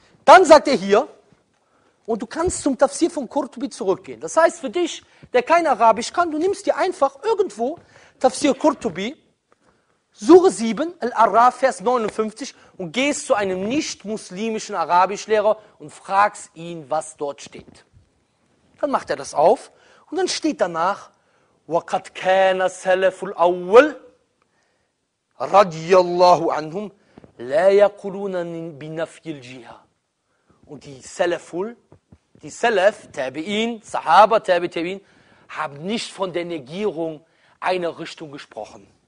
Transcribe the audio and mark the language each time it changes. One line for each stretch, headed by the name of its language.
German: Dann sagt er hier, und du kannst zum Tafsir von Qurtubi zurückgehen. Das heißt für dich, der kein Arabisch kann, du nimmst dir einfach irgendwo Tafsir Qurtubi, Sure 7, Al-Araf, Vers 59 und gehst zu einem nicht-muslimischen Arabischlehrer und fragst ihn, was dort steht. Dann macht er das auf und dann steht danach,
Arabic: وَقَدْ كَانَ سَلَفُ الْأَوَّلِ رَضِيَ اللَّهُ عَنْهُمْ لَا يَقُلُونَ بِنَفْيِ الْجِهَةِ.
German: Und die Salaf, Tabi'in, Sahaba, Tabi'in, haben nicht von der Negierung einer Richtung gesprochen.